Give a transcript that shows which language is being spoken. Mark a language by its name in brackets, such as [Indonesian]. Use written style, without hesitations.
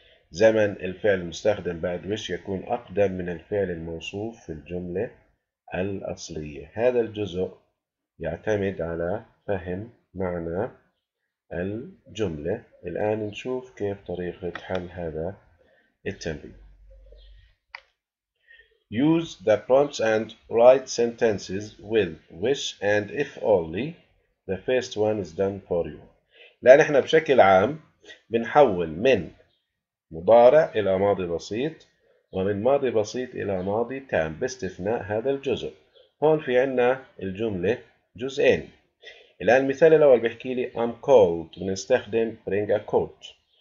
[Arabic] زمن الفعل المستخدم بعد wish يكون أقدم من الفعل الموصوف في الجملة الأصلية. هذا الجزء يعتمد على فهم معنى الجملة. الآن نشوف كيف طريقة حل هذا التمرين. [English] Use the prompts and write sentences with wish and if only. The first one is done for you. [Arabic] لأن احنا بشكل عام بنحول من مضارع إلى ماضي بسيط ومن ماضي بسيط إلى ماضي تام باستثناء هذا الجزء. هون في عنا الجملة جزئين. الآن المثال الأول بيحكي لي [English] I'm cold، [Arabic] بنستخدم [English] bring a coat.